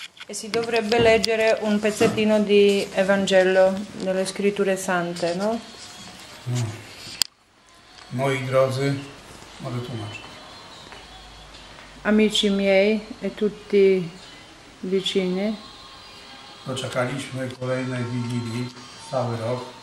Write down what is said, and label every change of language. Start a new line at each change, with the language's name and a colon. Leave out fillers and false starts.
Italian: E si dovrebbe leggere un pezzettino di Evangelo delle Scritture Sante, no?
Polish: Moi drodzy, mogę tłumaczyć.
Italian: Amici miei e tutti vicini.
Polish: Poczekaliśmy kolejnej Wigilii, cały rok.